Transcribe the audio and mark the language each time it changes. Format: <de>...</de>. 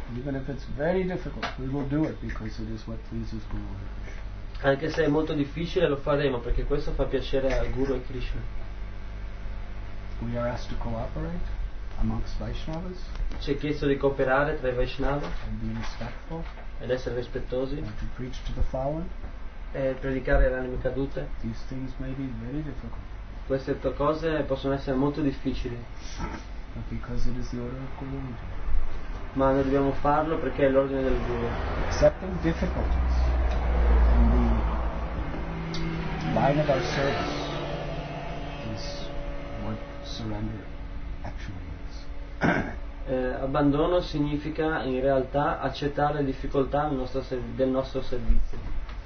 <en>Even if it's very difficult, we will do it because it is what pleases Guru.</en> <it>Anche se è molto difficile, lo faremo perché questo fa piacere al Guru e Krishna.</it> <en>We are asked to cooperate amongst Vaishnavas.</en> <it>Ci è chiesto di cooperare tra i Vaishnava.</it> <en>And be respectful.</en> <it>Ed essere rispettosi.</it> <en>And to preach to the fallen.</en> <it>E predicare alle anime cadute.</it> <en>These things may be very difficult.</en> <it>Queste tue cose possono essere molto difficili.</it> <en>But because it is the order of community.</en> <it>Ma noi dobbiamo farlo perché è l'ordine del Guru.</it> <en>Accepting difficulties in the line of our service is what surrender actually is.</en> <it>Abbandono significa in realtà accettare le difficoltà del nostro servizio.</it>